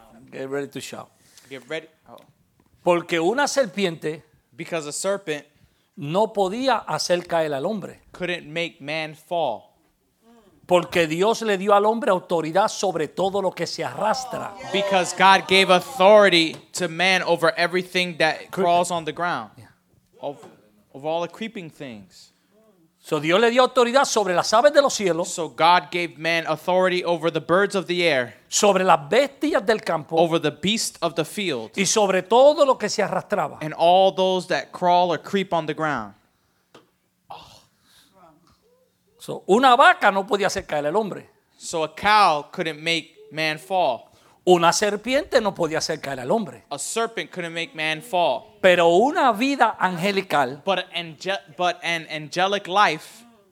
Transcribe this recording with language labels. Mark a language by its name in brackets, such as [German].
[English] Get ready to shout. Get ready. [Spanish] Porque una serpiente. [English] Because a serpent. [Spanish] No podía hacer caer al hombre. [English] Couldn't make man fall. [Spanish] Porque Dios le dio al hombre autoridad sobre todo lo que se arrastra. [English] Because God gave authority to man over everything that crawls on the ground. Yeah. Of all the creeping things. [Spanish] So Dios le dio autoridad sobre las aves de los cielos. [English] So God gave man authority over the birds of the air. [Spanish] Sobre las bestias del campo. [English] Over the beasts of the field. [Spanish] Y sobre todo lo que se arrastraba. [English] And all those that crawl or creep on the ground. [Spanish] So, una vaca no podía hacer caer al hombre. [English] So a cow couldn't make man fall. [Spanish] Una serpiente no podía hacer caer al hombre. [English] A serpent couldn't make man fall. [Spanish] Pero una vida angelical. [English] But an angelic life.